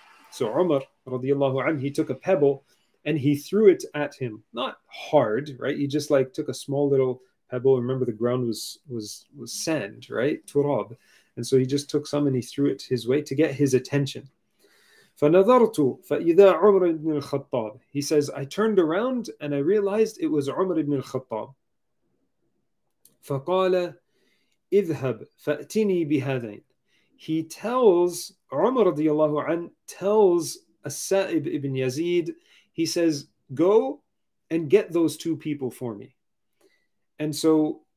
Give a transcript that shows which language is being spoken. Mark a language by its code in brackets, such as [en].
[en] So Umar radiallahu an, he took a pebble and he threw it at him. Not hard, right? He just took a small little pebble. Remember, the ground was sand, right? Turab. And so he just took some and he threw it his way to get his attention. [ar] فَنَظَرْتُ فَإِذَا عُمْرَ ibn al-Khattab. [en] He says, I turned around and I realized it was Umar ibn al-Khattab. [ar] فَقَالَ اِذْهَبْ فَأْتِنِي بِهَذَيْنِ. [en] He tells, Umar radiallahu an, tells As-Sa'ib ibn Yazid, he says, go and get those two people for me. And so